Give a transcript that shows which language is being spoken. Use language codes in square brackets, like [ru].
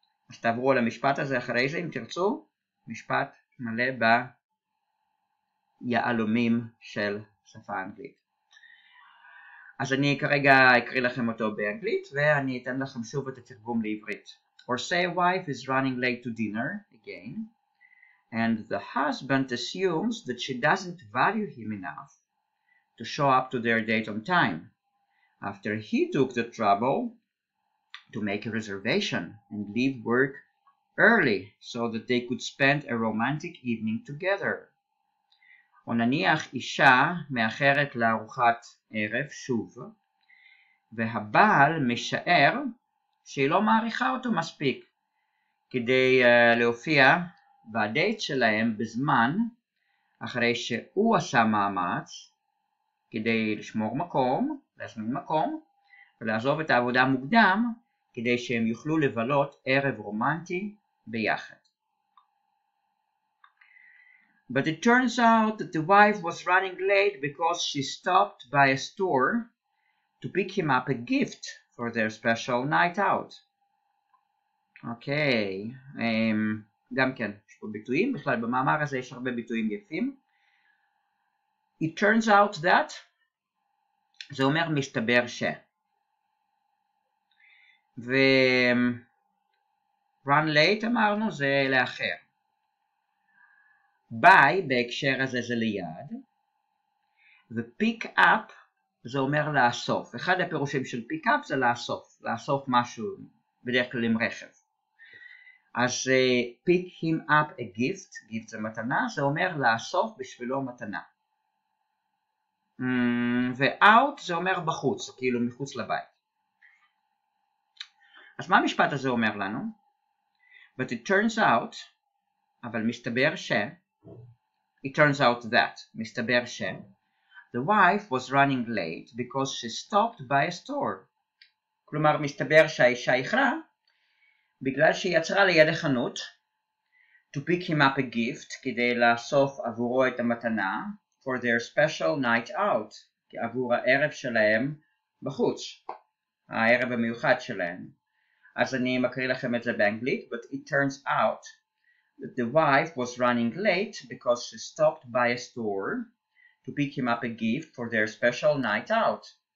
[he] אז תעברו על המשפט הזה אחרי זה אם תרצו, משפט מלא ביעלומים של שפה אנגלית. אז אני כרגע אקריא לכם אותו באנגלית ואני אתן לכם שוב את התרגום לעברית. [en] Or say a wife is running late to dinner again. And the husband assumes that she doesn't value him enough to show up to their date on time. After he took the trouble to make a reservation and leave work early so that they could spend a romantic evening together. [he] או נניח אישה מאחרת לארוחת ערב שוב, והבעל משער שהיא לא מעריכה אותו מספיק כדי להופיע בדייט שלהם בזמן, אחרי שהוא עשה מאמץ כדי לשמור מקום, להזמין מקום, ולעזוב את העבודה מוקדם כדי שהם יוכלו לבלות ערב רומנטי ביחד. [en] But it turns out that the wife was running late because she stopped by a store to pick him up a gift for their special night out. [he] Okay, גם כן, יש פה ביטויים, בכלל במאמר הזה יש הרבה ביטויים יפים. [en] It turns out that, [he] זה אומר מסתבר ש. ו... run late אמרנו זה לאחר. by בהקשר הזה זה ליד, ו-pick up זה אומר לאסוף. אחד הפירושים של pick up זה לאסוף, לאסוף משהו בדרך כלל עם רכב. אז [en] pick him up a gift, [he] gift זה מתנה, זה אומר לאסוף בשבילו מתנה. ו-out זה אומר בחוץ, כאילו מחוץ לבית. אז מה המשפט הזה אומר לנו? [en] But it turns out, [he] אבל מסתבר ש... [en] It turns out that, [he] מסתבר ש... [en] The wife was running late because she stopped by a store. [he] כלומר, מסתבר שהאישה איחרה בגלל שהיא עצרה ליד החנות [en] to pick him up a gift, [he] כדי לאסוף עבורו את המתנה [en] for their special night out, [he] עבור הערב שלהם בחוץ, הערב המיוחד שלהם. אז אני מקריא לכם את זה באנגלית, [en] but it turns out that the wife was running late because she stopped by a store to pick him up a gift for their special night out.